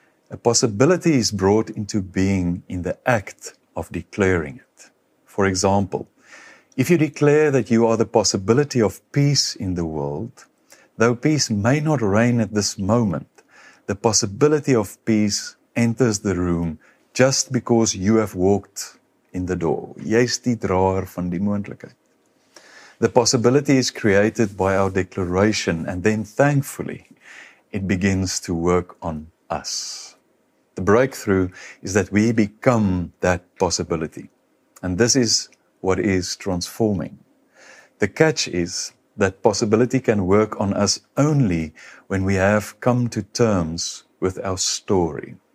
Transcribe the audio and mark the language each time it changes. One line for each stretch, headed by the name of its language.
English: A possibility is brought into being in the act of declaring it. For example, if you declare that you are the possibility of peace in the world, though peace may not reign at this moment, the possibility of peace enters the room just because you have walked in the door.
Afrikaans: Jy is die draer van die moontlikheid.
English: The possibility is created by our declaration and then thankfully it begins to work on us. The breakthrough is that we become that possibility. And this is what is transforming. The catch is that possibility can work on us only when we have come to terms with our story.